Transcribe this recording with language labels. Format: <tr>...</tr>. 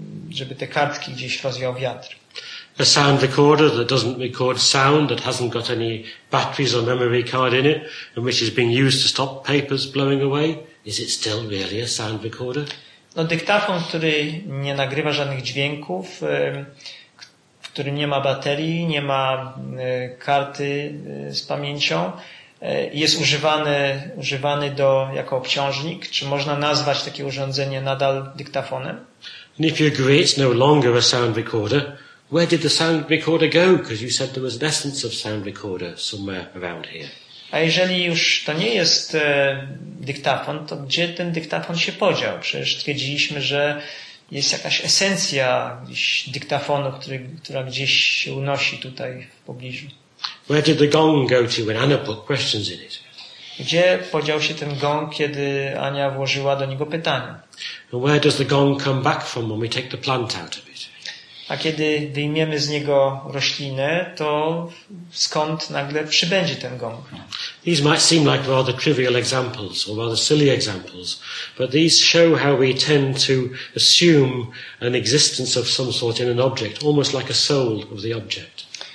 <pl>żeby te kartki gdzieś rozwiał wiatr.</pl> <en>A sound recorder that doesn't record sound, that hasn't got any batteries or memory card in it, and which is being used to stop papers blowing away, is it still really a sound recorder?</en> <pl>No, dyktafon, który nie nagrywa żadnych dźwięków, w którym nie ma baterii, nie ma karty z pamięcią, jest używany do, jako obciążnik. Czy można nazwać takie urządzenie nadal dyktafonem?</pl> <en>And if you agree it's no longer a sound recorder, where did the sound recorder go? Because you said there was an essence of sound recorder somewhere around here.</en> <pl>A jeżeli już to nie jest dyktafon, to gdzie ten dyktafon się podział? Przecież stwierdziliśmy, że jest jakaś esencja gdzieś dyktafonu, która gdzieś się unosi tutaj w pobliżu.</pl> <en>Where did the gong go to when Anna put questions in it?</en> <pl>Gdzie podział się ten gong, kiedy Ania włożyła do niego pytania?</pl> <en>And where does the gong come back from when we take the plant out of it?</en> <pl>A kiedy wyjmiemy z niego roślinę, to skąd nagle przybędzie ten gong?</pl> <en>These might seem like rather trivial examples or rather silly examples, but these show how we tend to assume an existence of some sort in an object, almost like a soul of the object.</en>